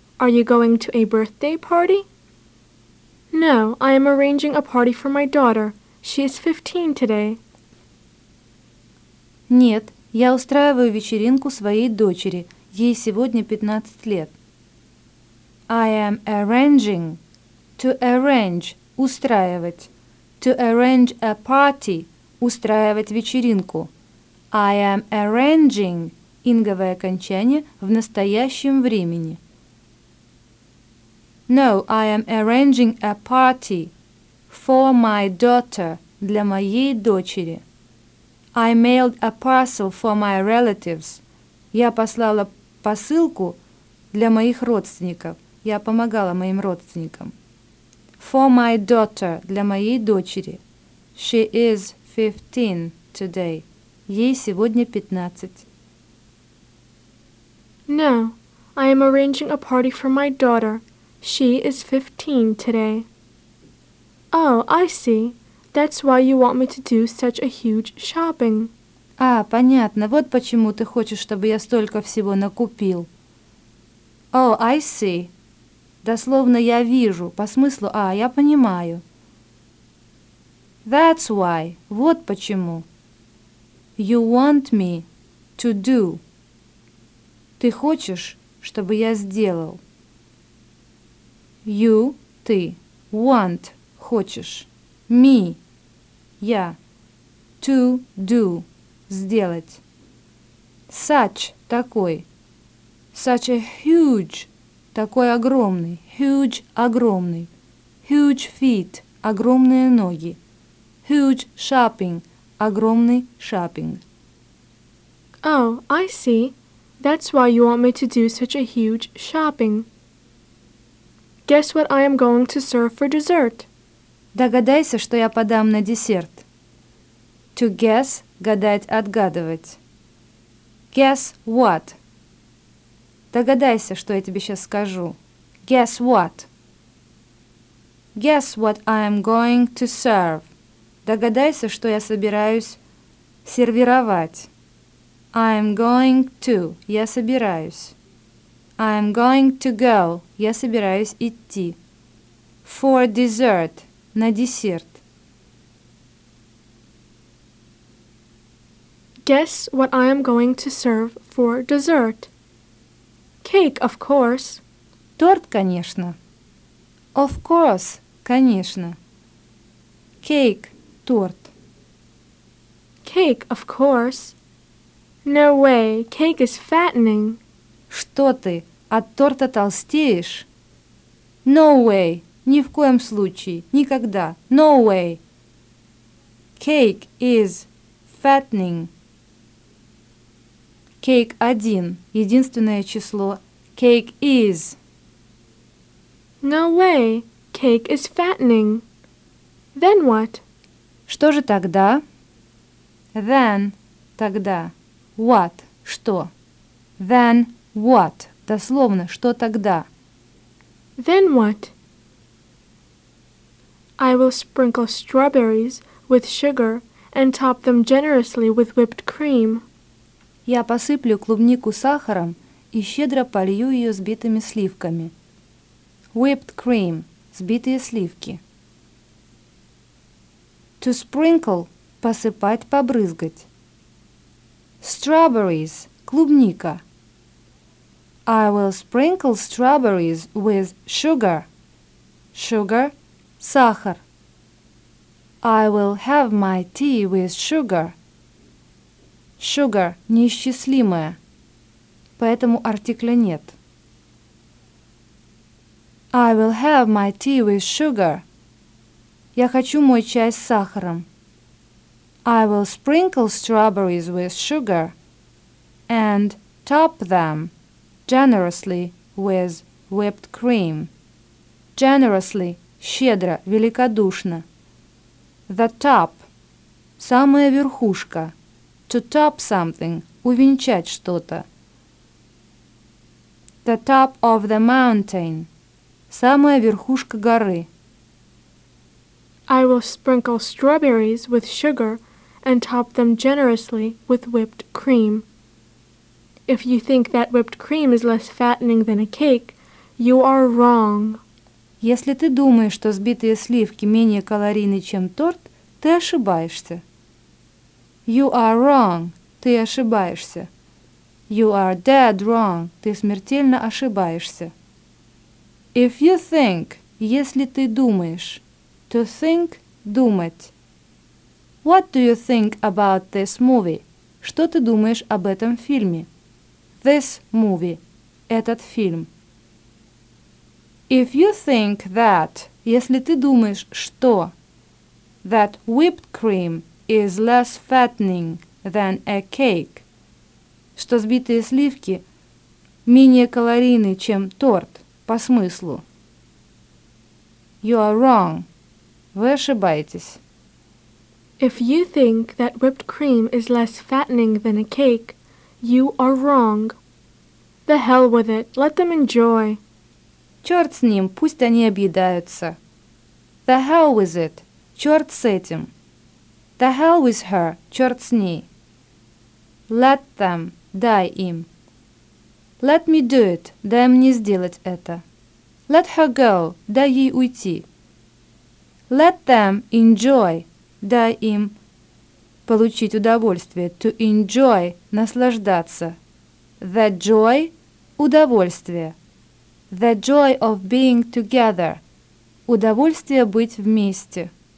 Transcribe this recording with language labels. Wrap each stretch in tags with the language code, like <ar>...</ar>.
<en>Are you going to a birthday party? No, I am arranging a party for my daughter. She is 15 today.</en> <ru>Нет, я устраиваю вечеринку своей дочери. Ей сегодня 15 лет.</ru> <en>I am arranging. To arrange. Устраивать. To arrange a party.</en> <ru>Устраивать вечеринку.</ru> <en>I am arranging.</en> <ru>Инговое окончание в настоящем времени.</ru> <en>No, I am arranging a party for my daughter.</en> <ru>Для моей дочери.</ru> <en>I mailed a parcel for my relatives.</en> <ru>Я послала посылку для моих родственников. Я помогала моим родственникам.</ru> <en>For my daughter.</en> <ru>Для моей дочери.</ru> <en>She is 15 today.</en> <ru>Ей сегодня 15.</ru> <en>No, I am arranging a party for my daughter. She is 15 today. Oh, I see. That's why you want me to do such a huge shopping.</en> <ru>А, понятно. Вот почему ты хочешь, чтобы я столько всего накупил.</ru> <en>Oh, I see.</en> <ru>Дословно «я вижу», по смыслу «а», «я понимаю».</ru> <en>That's why.</en> <ru>Вот почему.</ru> <en>You want me to do.</en> <ru>Ты хочешь, чтобы я сделал.</ru> <en>You, ты, want,</en> <ru>хочешь, me, я,</ru> <en>to do,</en> <ru>сделать.</ru> <en>Such, такой, such a huge,</en> <ru>такой огромный,</ru> <en>huge, огромный, huge feet,</en> <ru>огромные ноги,</ru> <en>huge shopping,</en> <ru>огромный shopping.</ru> <en>Oh, I see. That's why you want me to do such a huge shopping. Guess what I am going to serve for dessert?</en> <ru>Догадайся, что я подам на десерт.</ru> <en>To guess,</en> <ru>гадать, отгадывать.</ru> <en>Guess what?</en> <ru>Догадайся, что я тебе сейчас скажу.</ru> <en>Guess what? Guess what I am going to serve?</en> <ru>Догадайся, что я собираюсь сервировать.</ru> <en>I am going to.</en> <ru>Я собираюсь.</ru> <en>I am going to go.</en> <ru>Я собираюсь идти.</ru> <en>For dessert.</en> <ru>На десерт.</ru> <en>Guess what I am going to serve for dessert. Cake, of course.</en> <ru>Торт, конечно.</ru> <en>Of course.</en> <ru>Конечно.</ru> <en>Cake.</en> <ru>Торт.</ru> <en>Cake, of course. No way, cake is fattening.</en> <ru>Что ты, от торта толстеешь?</ru> <en>No way,</en> <ru>ни в коем случае, никогда.</ru> <en>No way. Cake is fattening.</en> <ru>Cake один, единственное число.</ru> <en>Cake is. No way, cake is fattening. Then what?</en> <ru>Что же тогда?</ru> <en>Then, тогда. What? Что? Then what?</en> <ru>Дословно, что тогда?</ru> <en>Then what? I will sprinkle strawberries with sugar and top them generously with whipped cream.</en> <ru>Я посыплю клубнику сахаром и щедро полью ее взбитыми сливками.</ru> <en>Whipped cream.</en> <ru>Взбитые сливки.</ru> <en>To sprinkle.</en> <ru>Посыпать, побрызгать.</ru> <en>Strawberries.</en> <ru>Клубника.</ru> <en>I will sprinkle strawberries with sugar. Sugar. Сахар. I will have my tea with sugar.</en> <ru>Sugar. Неисчислимое. Поэтому артикля нет.</ru> <en>I will have my tea with sugar.</en> <ru>Я хочу мой чай с сахаром.</ru> <en>I will sprinkle strawberries with sugar and top them generously with whipped cream.</en> <ru>Generously – щедро, великодушно.</ru> <en>The top</en> <ru>– самая верхушка,</ru> <en>to top something,</en> <ru>увенчать что-то.</ru> <en>The top of the mountain,</en> <ru>самая верхушка горы.</ru> <en>I will sprinkle strawberries with sugar and top them generously with whipped cream. If you think that whipped cream is less fattening than a cake, you are wrong.</en> <ru>Если ты думаешь, что взбитые сливки менее калорийны, чем торт, ты ошибаешься.</ru> <en>You are wrong.</en> <ru>Ты ошибаешься.</ru> <en>You are dead wrong.</en> <ru>Ты смертельно ошибаешься.</ru> <en>If you think,</en> <ru>если ты думаешь,</ru> <en>to think, думать. What do you think about this movie?</en> <ru>Что ты думаешь об этом фильме?</ru> <en>This movie.</en> <ru>Этот фильм.</ru> <en>If you think that,</en> <ru>если ты думаешь, что,</ru> <en>that whipped cream is less fattening than a cake,</en> <ru>что взбитые сливки менее калорийны, чем торт, по смыслу.</ru> <en>You are wrong.</en> <ru>Вы ошибаетесь.</ru> <en>If you think that whipped cream is less fattening than a cake, you are wrong. The hell with it. Let them enjoy.</en> <ru>Черт с ним, пусть они объедаются.</ru> <en>The hell with it.</en> <ru>Черт с этим.</ru> <en>The hell with her.</en> <ru>Черт с ней.</ru> <en>Let them.</en> <ru>Дай им.</ru> <en>Let me do it.</en> <ru>Дай мне сделать это.</ru> <en>Let her go.</en> <ru>Дай ей уйти.</ru> <en>Let them enjoy.</en> <ru>Дай им получить удовольствие.</ru> <en>To enjoy. Наслаждаться. The joy. Удовольствие. The joy of being together.</en> <ru>Удовольствие быть вместе.</ru>